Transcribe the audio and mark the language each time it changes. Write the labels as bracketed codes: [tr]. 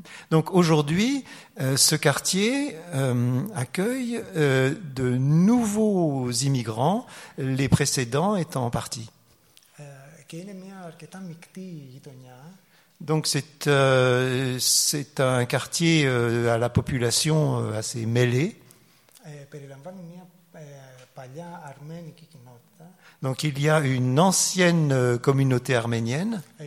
[fr] Donc aujourd'hui, ce quartier accueille de nouveaux immigrants, les précédents étant partis. [el] Και είναι μια αρκετά μεικτή γειτονιά. [fr] Donc c'est un quartier à la population assez mêlée. [el] Περιλαμβάνει μια παλιά αρμένικη κοινότητα. [fr] Donc il y a une ancienne communauté arménienne.